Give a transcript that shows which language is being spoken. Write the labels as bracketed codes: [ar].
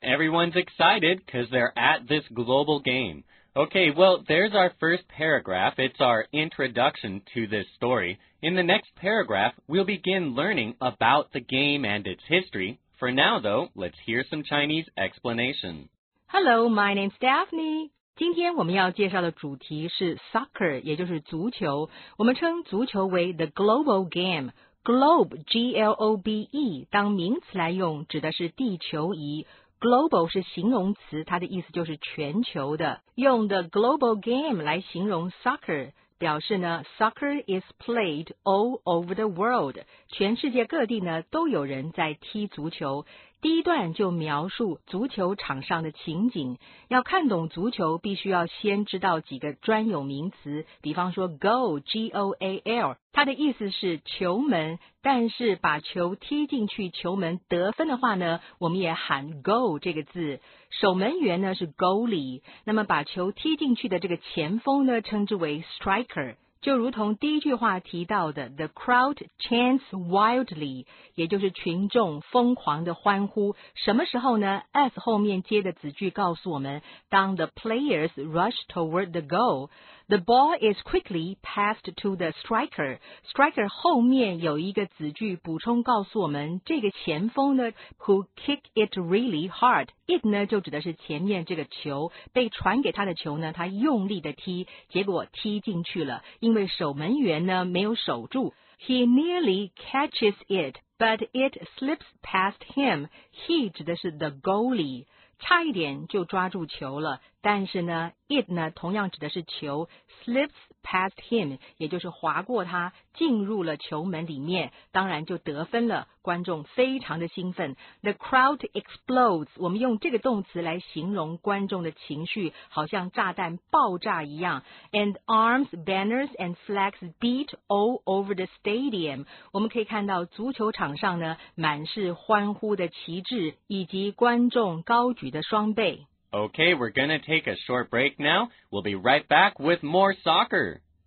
[en] Everyone's excited because they're at this global game. Okay, well, there's our first paragraph. It's our introduction to this story. In the next paragraph, we'll begin learning about the game and its history. For now, though, let's hear some Chinese explanation. Hello, my name's Daphne. [zh] 今天我们要介绍的主题是 soccer, 也就是足球。我们称足球为 the global game。 Globe, G-L-O-B-E, 当名词来用指的是地球仪。 Global 是形容词，它的意思就是全球的。用 the global game 来形容 soccer, 表示呢 [en] soccer is played all over the world, [zh] 全世界各地呢都有人在踢足球。第一段就描述足球场上的情景，要看懂足球必须要先知道几个专有名词，比方说 goal, G-O-A-L, 它的意思是球门，但是把球踢进去球门得分的话呢，我们也喊 goal 这个字，守门员呢是 goalie, 那么把球踢进去的这个前锋呢称之为 striker,就如同第一句话提到的 [en] The crowd chants wildly, [zh] 也就是群众疯狂的欢呼。什么时候呢？ [en] as [zh] 后面接的子句告诉我们，当 [en] the players rush toward the goal, the ball is quickly passed to the striker. [zh] Striker 后面有一个子句补充告诉我们，这个前锋呢 [en] who kick it really hard. [zh] It 呢就指的是前面这个球，被传给他的球呢，他用力的踢，结果踢进去了。因为守门员呢没有守住 [en] ，He nearly catches it, but it slips past him. [zh] He 指的是 the goalie, 差一点就抓住球了。但是呢 ，it 呢同样指的是球 ， [en] slips past him, [zh] 也就是滑过他，进入了球门里面，当然就得分了。观众非常的兴奋 ， [en] The crowd explodes. [zh] 我们用这个动词来形容观众的情绪，好像炸弹爆炸一样。 [en] And arms, banners, and flags beat all over the stadium. [zh] 我们可以看到足球场上呢，满是欢呼的旗帜，以及观众高举的双臂。 [en] Okay, we're going to take a short break now. We'll be right back with more soccer.